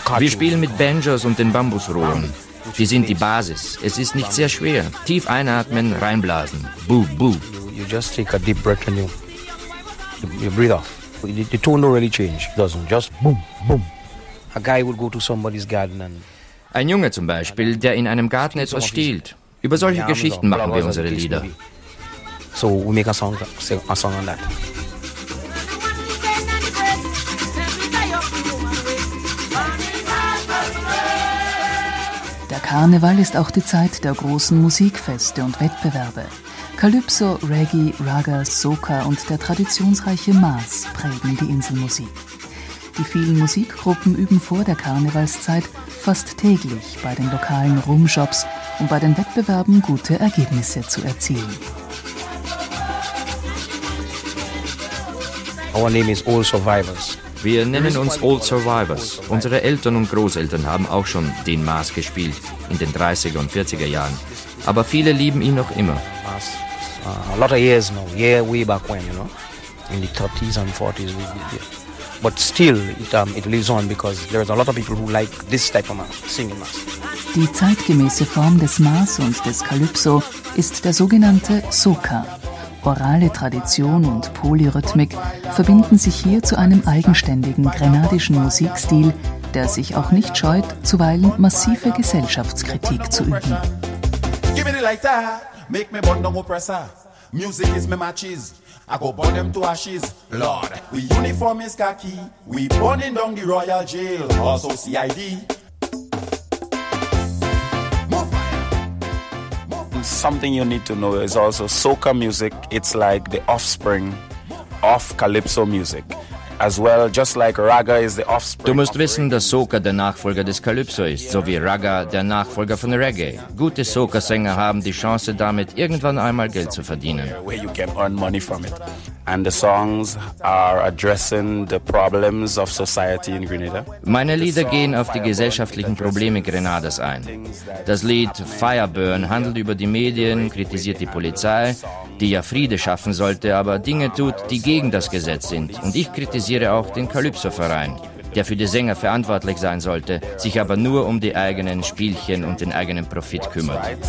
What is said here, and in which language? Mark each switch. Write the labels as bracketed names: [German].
[German] cajus. Wir spielen mit Banjos und den Bambusrohren. Die sind die Basis. Es ist nicht sehr schwer. Tief einatmen, reinblasen. Boo, boo. [English] You just take a deep breath and you breathe off. The tone don't really change. It doesn't. Just boom, boom. A guy would go to somebody's garden and... [German] Ein Junge zum Beispiel, der in einem Garten etwas stiehlt. Über solche Geschichten machen wir unsere Lieder. [English] So we make a song on that. [German] Der Karneval ist auch die Zeit der großen Musikfeste und Wettbewerbe. Calypso, Reggae, Raga, Soca und der traditionsreiche Maas prägen die Inselmusik. Die vielen Musikgruppen üben vor der Karnevalszeit fast täglich bei den lokalen Rumshops, um bei den Wettbewerben gute Ergebnisse zu erzielen. [English] Our name is All Survivors. [German] Wir nennen uns Old Survivors. Unsere Eltern und Großeltern haben auch schon den Maas gespielt in den 30er und 40er Jahren. Aber viele lieben ihn noch immer. [English] A lot of years now, yeah, way back when, you know, in the 30s and 40s. But still, it lives on because there is a lot of people who like this type of Maas, singing Maas. [German] Die zeitgemäße Form des Maas und des Calypso ist der sogenannte Soca. Orale Tradition und Polyrhythmik verbinden sich hier zu einem eigenständigen grenadischen Musikstil, der sich auch nicht scheut, zuweilen massive Gesellschaftskritik zu üben. [English] Give me the lighter, make me burn down oppressor. Music is my matches, I go burn them to ashes. Lord, we uniform is khaki, we burning down the royal jail, also CID. Something you need to know is also soca music, it's like the offspring of calypso music as well, just like raga is the offspring. [German] Du musst wissen, dass soca der Nachfolger des Calypso ist, so wie raga der Nachfolger von Reggae. Gute soca Sänger haben die Chance, damit irgendwann einmal Geld zu verdienen. [English] Where you can earn money from it. And the songs are addressing the problems of society in Grenada. [German] Meine Lieder gehen auf die gesellschaftlichen Probleme Grenadas ein. Das Lied Fireburn handelt über die Medien, kritisiert die Polizei, die ja Friede schaffen sollte, aber Dinge tut, die gegen das Gesetz sind. Und ich kritisiere auch den Calypso-Verein, der für die Sänger verantwortlich sein sollte, sich aber nur um die eigenen Spielchen und den eigenen Profit kümmert.